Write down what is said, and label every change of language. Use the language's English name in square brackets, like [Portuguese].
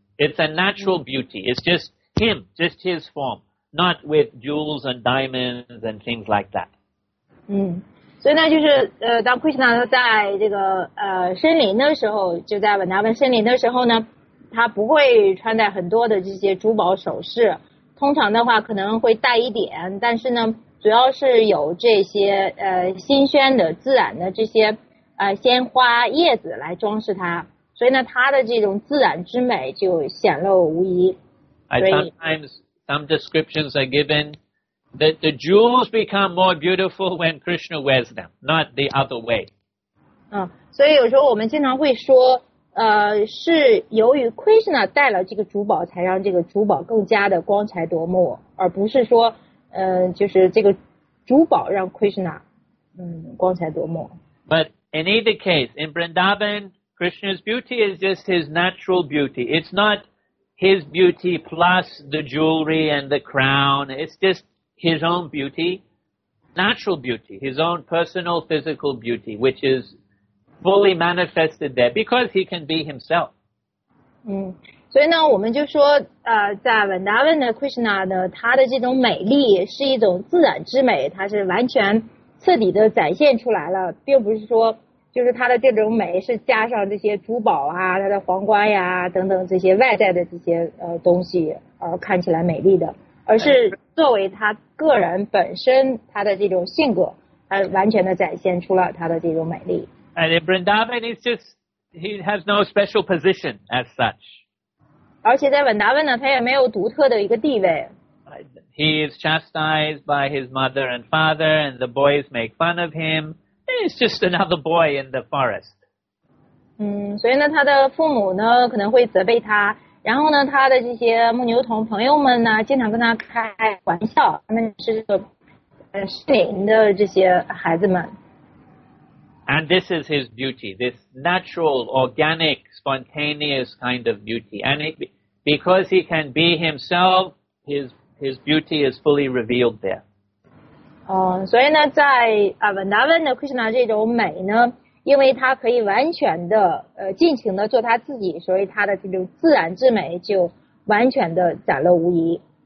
[English] It's a natural beauty. It's just him, just his form, not with jewels and diamonds and things like that. [Chinese] 所以呢，就是当 Krishna 在这个森林的时候，就在 Vrindavan 森林的时候呢，他不会穿戴很多的这些珠宝首饰，通常的话可能会带一点，但是呢，主要是有这些新鲜的、自然的这些鲜花叶子来装饰它，所以呢，它的这种自然之美就显露无遗。 [English] Sometimes some descriptions are given that the jewels become more beautiful when Krishna wears them, not the other way. [Chinese] 所以有时候我们经常会说。是由于 Krishna 带了这个珠宝，才让这个珠宝更加的光彩夺目，而不是说，就是这个珠宝让 Krishna， 光彩夺目。 [English] But in either case, in Vrindavan, Krishna's beauty is just his natural beauty. It's not his beauty plus the jewelry and the crown. It's just his own beauty, natural beauty, his own personal physical beauty, which is. Fully manifested there because he can be himself. [Chinese] 所以呢，我们就说，在 Vrindavan 的 Krishna 呢，他的这种美丽是一种自然之美，它是完全彻底的展现出来了，并不是说就是他的这种美是加上这些珠宝啊、他的皇冠呀、等等这些外在的这些东西而看起来美丽的，而是作为他个人本身他的这种性格，他完全的展现出了他的这种美丽。 [English] And in Vrindavan, he has no special position as such. [Chinese] 而且在 Vrindavan 呢，他也没有独特的一个地位。 [English] he is chastised by his mother and father, and the boys make fun of him. He's just another boy in the forest. [Chinese] 所以呢，他的父母呢可能会责备他，然后呢，他的这些牧牛童朋友们呢，经常跟他开玩笑，他们是这个失灵的这些孩子们。 [English] And this is his beauty, this natural, organic, spontaneous kind of beauty. And it, because he can be himself, his beauty is fully revealed there. [Chinese] 所以呢，在Vrindavan 的 Krishna 这种美呢，因为他可以完全的尽情的做他自己，所以他的这种自然之美就完全的展露无遗。